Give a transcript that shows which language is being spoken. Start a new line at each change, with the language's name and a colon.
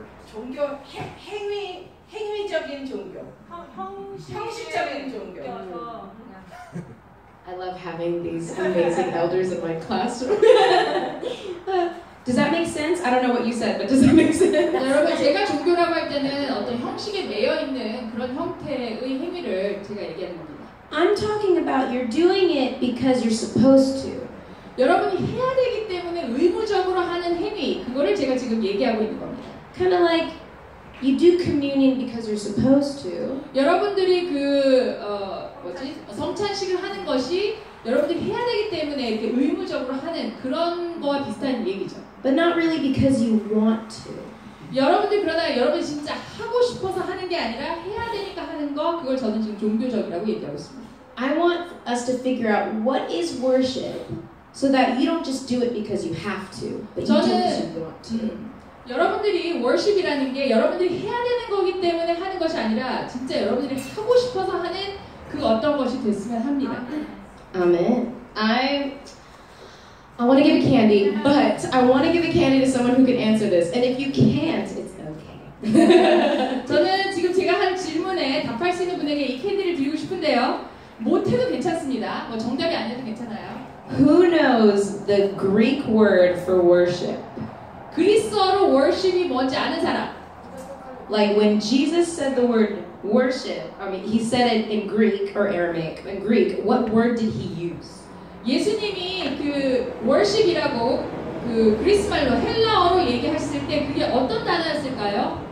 Korean: 종교 행위적인 종교. 형식적인 종교.
English: I love having these amazing elders in my classroom. Does that make sense? I don't know what you said, but does that make sense?
Korean: 여러분 제가 종교라고 할 때는 어떤 형식에 매여 있는 그런 형태의 행위를 제가 얘기하는 겁니다.
English: I'm talking about you're doing it because you're supposed to.
Korean: 여러분이 해야 되기 때문에 의무적으로 하는 행위 그거를 제가 지금 얘기하고 있는 겁니다.
English: Kind of like you do communion because you're supposed to.
Korean: 여러분들이 그 뭐지 성찬식을 하는 것이 여러분들이 해야 되기 때문에 이렇게 의무적으로 하는 그런 거와 비슷한 얘기죠.
English: But not really because you want to.
Korean: 여러분들 그러나 여러분 진짜 하고 싶어서 하는 게 아니라 해야 되니까 하는 거 그걸 저는 지금 종교적이라고 얘기하고 있습니다.
English: I want us to figure out what is worship. So that you don't just do it because you have to, but you do it because you want to.
Korean: 여러분들이 worship이라는 게 여러분들이 해야 되는 거기 때문에 하는 것이 아니라 진짜 여러분들이 하고 싶어서 하는 그 어떤 것이 됐으면 합니다. 아멘.
English: I want to give a candy, but I want to give a candy to someone who can answer this. And if you can't, it's okay.
Korean: 저는 지금 제가 한 질문에 답할 수 있는 분에게 이 캔디를 드리고 싶은데요. 못해도 괜찮습니다. 뭐 정답이 아니어도 괜찮아요.
English: Who knows the Greek word for worship?
Korean: 그리스어로 worship이 뭔지 아는 사람?
English: Like when Jesus said the word worship, I mean, he said it in Greek or Aramaic. In Greek, what word did he use?
Korean: 예수님이 그 worship이라고 그 그리스 말로 헬라어로 얘기했을 때 그게 어떤 단어였을까요?